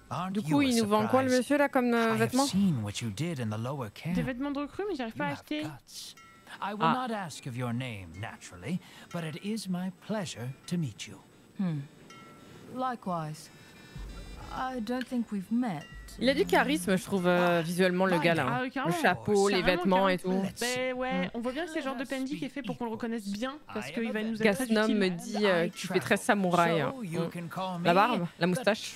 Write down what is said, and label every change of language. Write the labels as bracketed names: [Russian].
[French] Du coup, il nous vend quoi, le monsieur, là, comme vêtements? Des vêtements de recrue, mais j'arrive pas à acheter. [English] I will not ask of your name, naturally, but it is my pleasure to meet you. Likewise. I don't think we've met. [French] Il a du charisme, je trouve, visuellement, le gars, là. Le chapeau, les vêtements et tout. Ben ouais, on voit bien que c'est le genre de PNJ qui est fait pour qu'on le reconnaisse bien, parce qu'il va nous être très utile. Gasnum me dit que tu fais très samouraï. Hein. La barbe, la moustache.